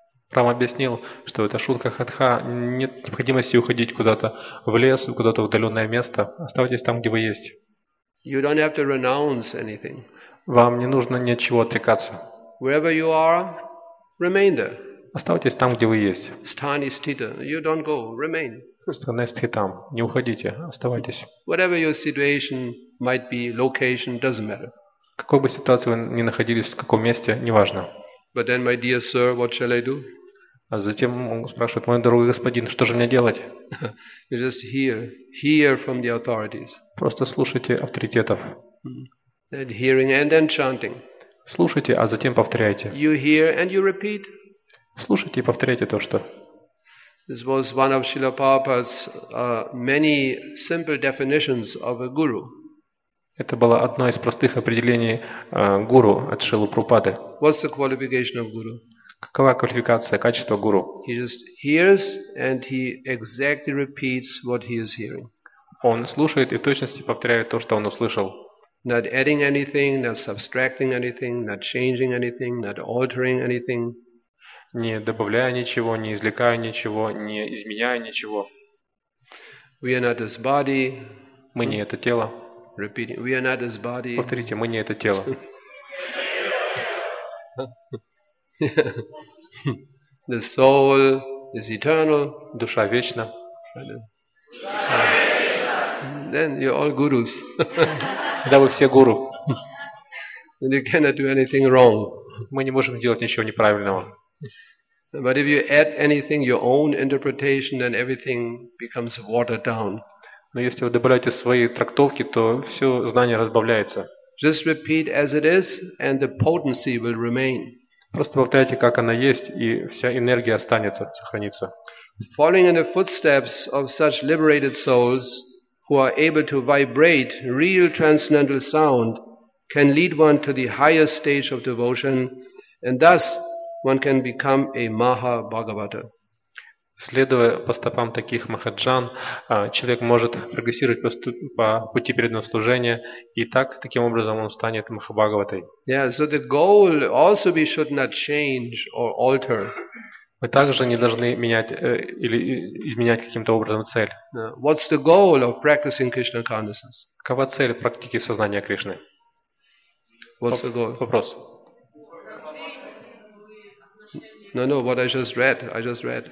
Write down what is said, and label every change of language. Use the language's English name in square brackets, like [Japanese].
[Russian] Брама объяснил, что это шутка хатха. Нет необходимости уходить куда-то в лес, куда-то в удаленное место. Оставайтесь там, где вы есть. [English] You don't have to renounce anything. [Russian] Вам не нужно ни от чего отрекаться. [English] Wherever you are, remain there. [Russian] Оставайтесь там, где вы есть. [English] Stani sthita. You don't go. Remain. [Russian] Stani sthita. Не уходите. Оставайтесь. [English] Whatever your situation might be, location doesn't matter. [Russian] Какой бы ситуации вы ни находились, в каком месте, неважно. [English] But then, my dear sir, what shall I do? [Russian] А затем он спрашивает, мой дорогой господин, что же мне делать? [English] You just hear from the authorities. [Russian] Просто слушайте авторитетов. [English] That hearing and then chanting. [Russian] Слушайте, а затем повторяйте. [English] You hear and you repeat. [Russian] Слушайте и повторяйте то, что. [English] This was one of Srila Prabhupada's many simple definitions of a guru. [Russian] Это было одно из простых определений гуру от Шрилы Прабхупады. [English] What's the qualification of guru? [Russian] Какова квалификация, качество гуру? [English] He just hears and he exactly repeats what he is hearing. [Russian] Он слушает и в точности повторяет то, что он услышал. [English] Not adding anything, not subtracting anything, not changing anything, not altering anything. [Russian] Не добавляя ничего, не извлекая ничего, не изменяя ничего. [English] We are not this body. [Russian] Мы не это тело. [English] Repeating, we are not this body. [Russian] Повторите, мы не это тело. [English] The soul is eternal. [Russian] Душа вечна. [English] Then you're all gurus. [Russian] Да, вы все гуру. [English] And you cannot do anything wrong. [Russian] Мы не можем делать ничего неправильного. [English] But if you add anything, your own interpretation, then everything becomes watered down. [Russian] Но если вы добавляете свои трактовки, то все знание разбавляется. [English] Just repeat as it is, and the potency will remain. [Russian] Просто повторяйте, как она есть, и вся энергия останется, сохранится. [English] Following in the footsteps of such liberated souls, who are able to vibrate real transcendental sound, can lead one to the highest stage of devotion, and thus one can become a Maha-Bhagavata. [Russian] Следуя по стопам таких махаджан, человек может прогрессировать по пути преданного служения, и так, таким образом, он станет Махабхагаватой. [English] Yeah, so the goal also we should not change or alter. [Russian] Мы также не должны менять или изменять каким-то образом цель. [English] Yeah. What's the goal of practicing Krishna consciousness? [Russian] Какова цель практики сознания Кришны? [English] What's the goal? [Russian] Вопрос. [English] No, what I just read. I just read.